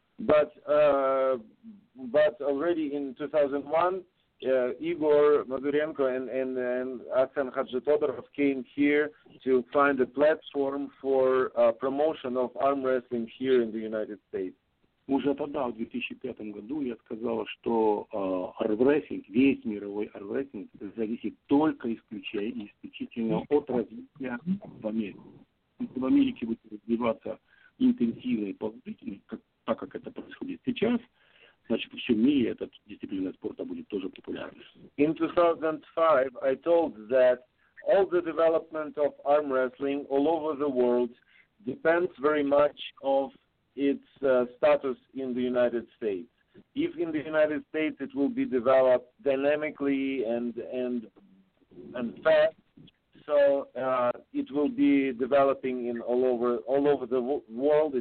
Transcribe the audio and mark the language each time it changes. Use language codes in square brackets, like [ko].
[en] But already in 2001, Igor Mazurenko and Aksan Hadzhitodorov came here to find a platform for promotion of arm wrestling here in the United States. [ru] Уже тогда, в 2005 году, я сказал, что армрестлинг, весь мировой армрестлинг, зависит только исключительно от развития в Америке. Если в Америке будет развиваться интенсивно и положительно, так как это происходит сейчас, значит, во всем мире эта дисциплина спорта будет тоже популярна. [en] In 2005, I told that all the development of arm wrestling all over the world depends very much of its status in the United States. If in the United States it will be developed dynamically and fast, so it will be developing in all over the world.